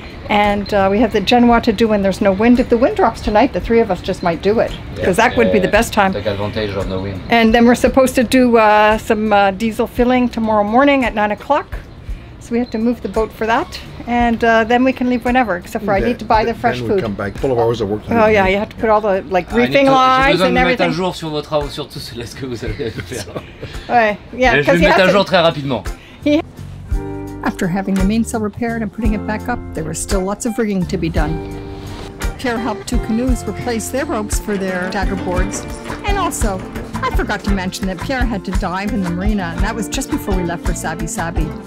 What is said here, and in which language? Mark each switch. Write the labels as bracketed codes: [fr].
[en] And we have the Genoa to do when there's no wind. If the wind drops tonight, the three of us just might do it, because yeah, that would be the best time. Take advantage of the wind. And then we're supposed to do some diesel filling tomorrow morning at 9 o'clock. So we have to move the boat for that. And then we can leave whenever, except for I need to buy the fresh then food. Then we come back, full of hours of work. Oh yeah, you have to put all the like briefing lines and everything. [fr] Je vais vous mettre à jour sur vos travaux, surtout sur ce que vous avez à faire. Ouais, yeah, je vais mettre à jour très rapidement. [en] After having the mainsail repaired and putting it back up, there was still lots of rigging to be done. Pierre helped two canoes replace their ropes for their dagger boards. And also, I forgot to mention that Pierre had to dive in the marina, and that was just before we left for Sabi Sabi.